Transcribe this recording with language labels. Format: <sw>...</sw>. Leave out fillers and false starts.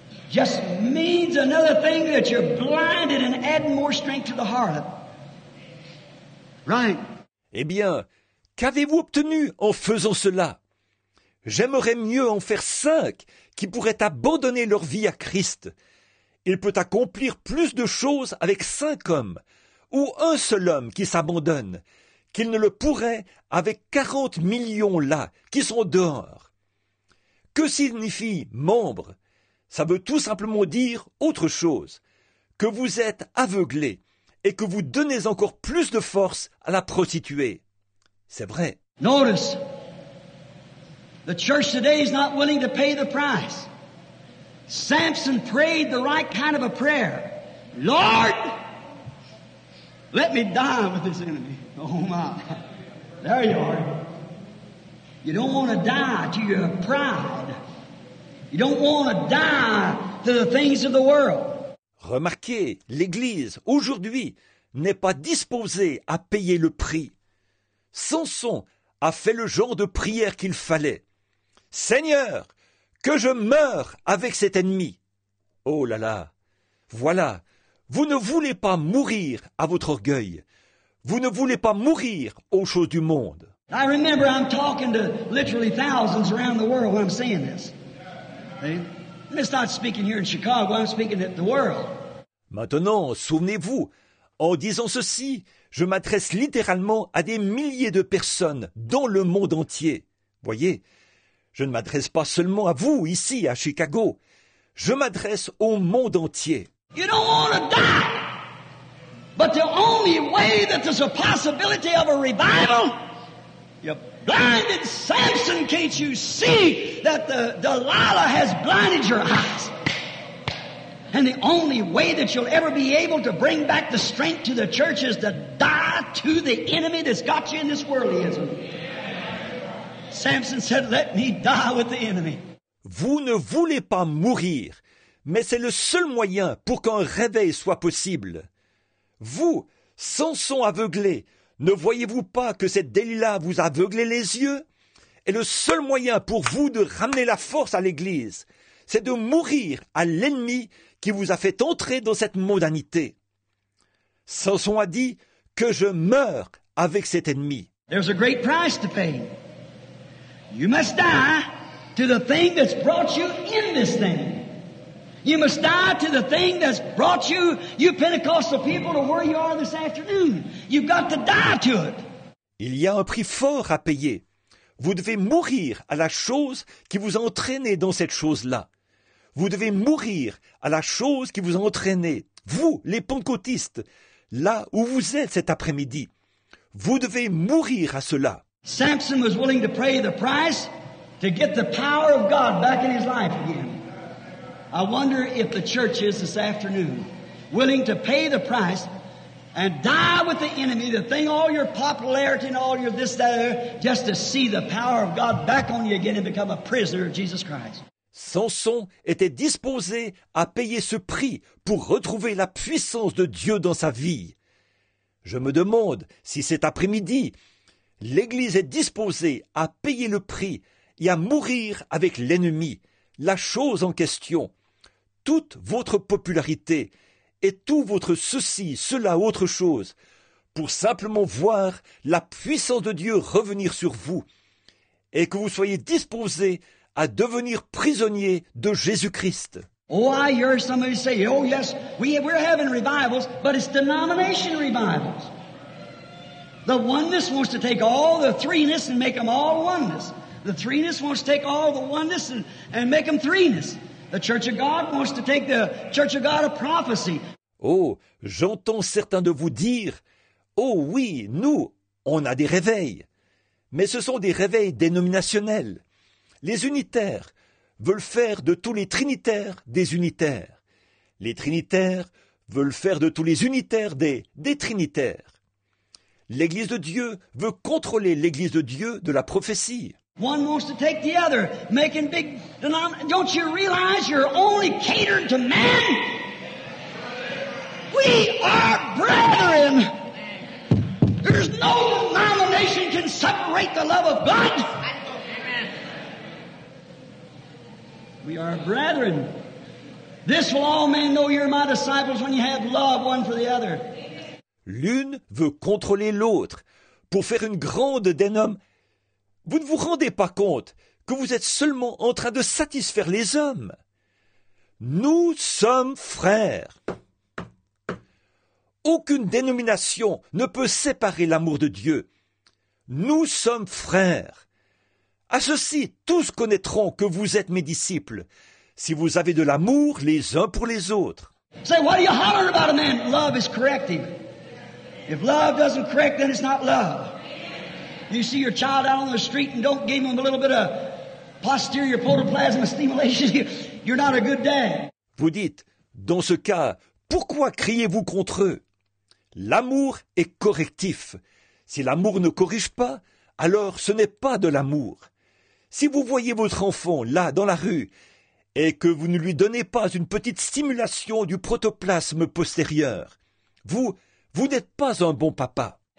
<en>Just means another thing that you're blinded and adding more strength to the heart. Right.</en> <fr>Eh bien, qu'avez-vous obtenu en faisant cela? J'aimerais mieux en faire 5 qui pourraient abandonner leur vie à Christ. Il peut accomplir plus de choses avec 5 hommes ou un seul homme qui s'abandonne qu'il ne le pourrait avec 40 millions là qui sont dehors. Que signifie « membre » ? Ça veut tout simplement dire autre chose, que vous êtes aveuglé et que vous donnez encore plus de force à la prostituée. C'est vrai.</fr> <en>Notice, the church today is not willing to pay the price. Samson prayed the right kind of a prayer. Lord, let me die with this enemy. Oh my, there you are. You don't want to die to your pride. You don't want to die to the things of the world.</en> <fr>Remarquez, l'Église, aujourd'hui, n'est pas disposée à payer le prix. Samson a fait le genre de prière qu'il fallait. Seigneur, que je meure avec cet ennemi. Oh là là, voilà, vous ne voulez pas mourir à votre orgueil. Vous ne voulez pas mourir aux choses du monde.</fr> <en>I remember I'm talking to literally thousands around the world when I'm saying this. I'm just not speaking here in Chicago, I'm speaking to the world.</en> <fr>Maintenant, souvenez-vous, en disant ceci, je m'adresse littéralement à des milliers de personnes dans le monde entier. Voyez, je ne m'adresse pas seulement à vous ici à Chicago, je m'adresse au monde entier.</fr> <en>You don't want to die, but the only way that there's a possibility of a revival... You blinded Samson, can't you see that the Delilah has blinded your eyes? And the only way that you'll ever be able to bring back the strength to the church is to die to the enemy that's got you in this worldlyism. Samson said, let me die with the enemy.</en> <fr>Vous ne voulez pas mourir, mais c'est le seul moyen pour qu'un réveil soit possible. Vous, Samson aveuglé, ne voyez-vous pas que cette Delilah vous aveuglait les yeux? Et le seul moyen pour vous de ramener la force à l'Église, c'est de mourir à l'ennemi qui vous a fait entrer dans cette mondanité. Samson a dit que je meurs avec cet ennemi.</fr> <en>There's a great price to pay. You must die to the thing that's brought you in this thing. You must die to the thing that's brought you, you Pentecostal people, to where you are this afternoon. You've got to die to it.</en> <fr>Il y a un prix fort à payer. Vous devez mourir à la chose qui vous a entraîné dans cette chose-là. Vous devez mourir à la chose qui vous a entraîné, vous, les pentecôtistes, là où vous êtes cet après-midi. Vous devez mourir à cela.</fr> <en>Samson was willing to pay the price to get the power of God back in his life again. I wonder if the church is this afternoon willing to pay the price and die with the enemy, the thing, all your popularity and all your this, that, other, just to see the power of God back on you again and become a prisoner of Jesus Christ.</en> <fr>Samson était disposé à payer ce prix pour retrouver la puissance de Dieu dans sa vie. Je me demande si cet après-midi, l'Église est disposée à payer le prix et à mourir avec l'ennemi. La chose en question, toute votre popularité et tout votre ceci, cela, autre chose, pour simplement voir la puissance de Dieu revenir sur vous et que vous soyez disposé à devenir prisonnier de Jésus-Christ.</fr> <en>Oh, I hear somebody say, oh yes, we're having revivals, but it's denomination revivals. The oneness wants to take all the threeness and make them all oneness. The threeness wants to take all the oneness and make them threeness. The Church of God wants to take the Church of God a prophecy.</en> <fr>Oh, j'entends certains de vous dire, oh oui, nous, on a des réveils. Mais ce sont des réveils dénominationnels. Les unitaires veulent faire de tous les trinitaires des unitaires. Les trinitaires veulent faire de tous les unitaires des trinitaires. L'Église de Dieu veut contrôler l'Église de Dieu de la prophétie.</fr> <en>One wants to take the other, making big denominations. Don't you realize you're only catered to men? We are brethren. There's no denomination can separate the love of God. We are brethren. This will all men know you're my disciples when you have love one for the other.</en> <fr>L'une veut contrôler l'autre pour faire une grande denom. Vous ne vous rendez pas compte que vous êtes seulement en train de satisfaire les hommes. Nous sommes frères. Aucune dénomination ne peut séparer l'amour de Dieu. Nous sommes frères. À ceci, tous connaîtront que vous êtes mes disciples, si vous avez de l'amour les uns pour les autres.</fr> <en>Say, what are you hollering about a man? Love is corrective. If love doesn't correct, then it's not love. You see your child out on the street and don't give him a little bit of posterior protoplasm stimulation, you're not a good dad.</en> <fr>Vous dites, dans ce cas, pourquoi criez-vous contre eux? L'amour est correctif. Si l'amour ne corrige pas, alors ce n'est pas de l'amour. Si vous voyez votre enfant là, dans la rue, et que vous ne lui donnez pas une petite stimulation du protoplasme postérieur, vous n'êtes pas un bon papa.</fr>